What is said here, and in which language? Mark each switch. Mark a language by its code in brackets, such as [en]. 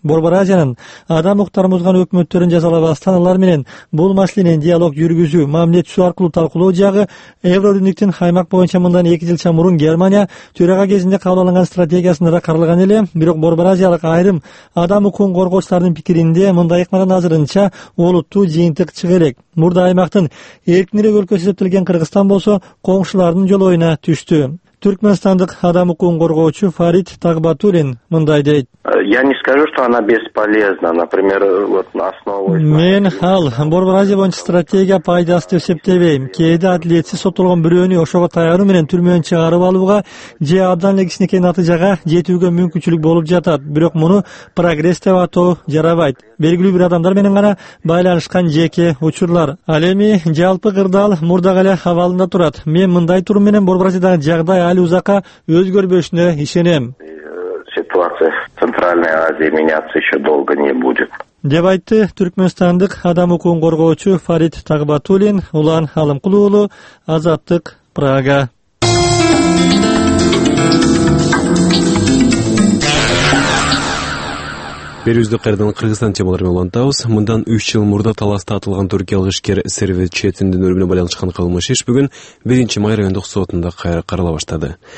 [ky] Борбор Азиянын адам укуктарын бузган өкмөттөрүн жазалабастан алар менен бул маселени диалог жүргүзүү, мамиле түзүү аркылуу талкуулоо жагы Евробиримдиктин аймак боюнча мындан 2 жыл мурун Германия төрага кезинде кабыл алынган стратегиясында да каралган эле. Бирок Борбор Азиялык айрым адам укугун коштардын пикиринде мындай ыкмадан азырынча олуттуу жыйынтык чыга элек. Мурда аймактын эркинирээк өлкөсү эсептелген Кыргызстан болсо коңшулардын жол оюна түштү. Түркмөнстандык адам укугун коргоочу Фарид Тагбатуллин мындай дейт. [ru] Я не скажу, что она бесполезна, например, вот на основу... [ky] Мен ал Борбор Азия боюнча стратегия пайдасы деп эсептебейм. Кээде адилетсиз соттолгон бирөөнү ошого таяруу менен түрмөдөн чыгарып алууга же абдан эле кичинекей натыйжага жетүүгө мүмкүнчүлүк болуп жатат. Бирок муну прогресс деп атоо жарабайт. Белгилүү бир адамдар менен гана байланышкан жеке учурлар. Ал эми жалпы кырдаал мурдагы эле абалында турат. Мен мындай туруу менен Борбор Азиядагы жагдай али узакка өзгөрбөшүнө ишенем. [ru] Ситуация в Центральной Азии меняться еще долго не будет. [ky] Деп айтты түркмөнстандык адам укугун коргоочу Фарид Тагбатуллин, Улан Алымкул уулу, Азаттык, Прага. Берүүздү кайрадан Кыргызстан темалары менен улантабыз. Мындан 3 жыл мурда Таласта атылган түркиялык ишкер Сервет Четиндин өлүмүнө байланышкан кылмыш иш бүгүн 1-май райондук сотунда кайра карала баштады.